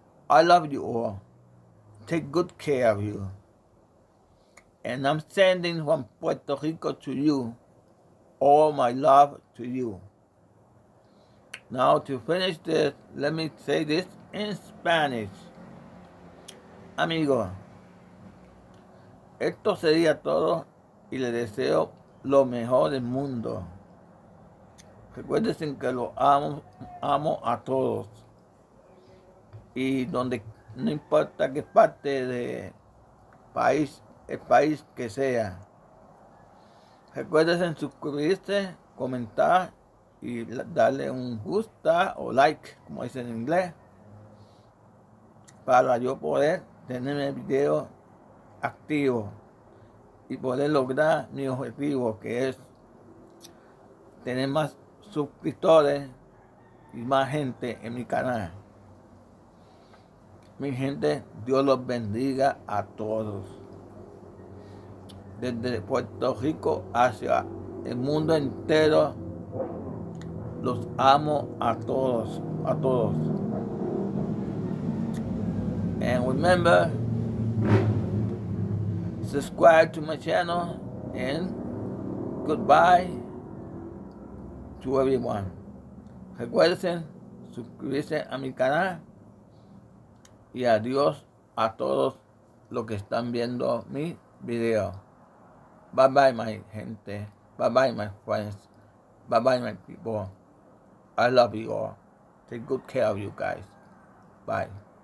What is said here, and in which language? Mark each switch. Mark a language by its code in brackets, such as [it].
[en] I love you all. Take good care of you. And I'm sending from Puerto Rico to you all my love to you. Now to finish this, let me say this in Spanish. [es] Amigo, esto sería todo y le deseo lo mejor del mundo. Recuerden que lo amo, amo a todos. Y donde no importa qué parte de país, el país que sea. Recuerden suscribirse, comentar y darle un gusta o like, como dicen en inglés, para yo poder tener mi video activo y poder lograr mi objetivo, que es tener más suscriptores y más gente en mi canal. Mi gente, Dios los bendiga a todos. Desde Puerto Rico hacia el mundo entero, los amo a todos, a todos. [en] And remember, subscribe to my channel and goodbye to everyone. [es] Recuerden suscribirse a mi canal y adiós a todos los que están viendo mi video. [en] Bye bye, my gente. Bye bye, my friends. Bye bye, my people. I love you all. Take good care of you guys. Bye.